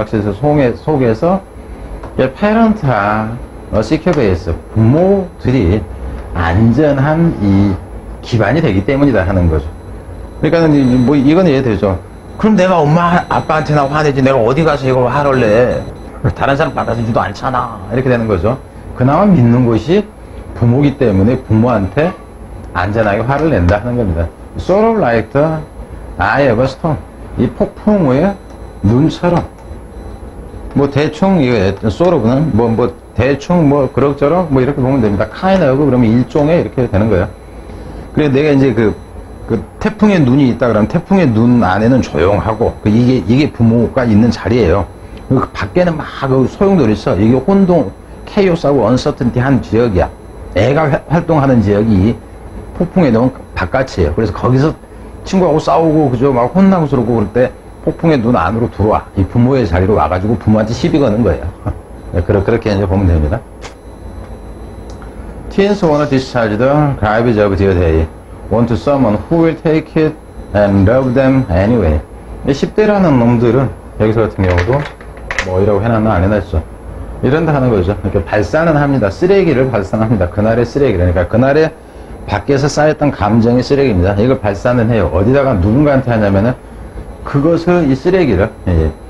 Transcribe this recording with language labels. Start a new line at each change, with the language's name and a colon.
Korean: 불확실성 속에서 parent와 secure base, 부모들이 안전한 이 기반이 되기 때문이다 하는 거죠. 그러니까 뭐 이건 이해되죠. 그럼 내가 엄마 아빠한테나 화내지 내가 어디 가서 이걸 하럴래. 다른 사람 받아주지도 않잖아. 이렇게 되는 거죠. 그나마 믿는 것이 부모기 때문에 부모한테 안전하게 화를 낸다 하는 겁니다.
English: Sort of like the eye of a storm.
Korean: 이 폭풍의 눈처럼. 뭐 대충 이 sort of는 뭐 대충 뭐 그럭저럭 뭐 이렇게 보면 됩니다. kind of 그러면 일종의 이렇게 되는 거예요. 그래 내가 이제 그 태풍의 눈이 있다 그러면 태풍의 눈 안에는 조용하고 이게 부모가 있는 자리예요. 그 밖에는 막 그 소용돌이 있어. 이게 혼돈, 케이오스하고 언서턴티 한 지역이야. 애가 활동하는 지역이 폭풍의 눈 바깥이에요. 그래서 거기서 친구하고 싸우고 그죠 막 혼나고 그러고 그럴 때 폭풍의 눈 안으로 들어와. 이 부모의 자리로 와가지고 부모한테 시비 거는 거예요. 그렇게 이제 보면 됩니다.
English: Teens want to discharge the garbage of the day. Want someone who will take it and love them anyway.
Korean: 이 10대라는 놈들은 여기서 같은 경우도 뭐이라고 해놨나 안 해놨죠. 이런다 하는 거죠. 이렇게 발산은 합니다. 쓰레기를 발산합니다. 그날의 쓰레기. 그러니까 그날의 밖에서 쌓였던 감정의 쓰레기입니다. 이걸 발산은 해요. 어디다가 누군가한테 하냐면은 그것을 이 쓰레기를 예.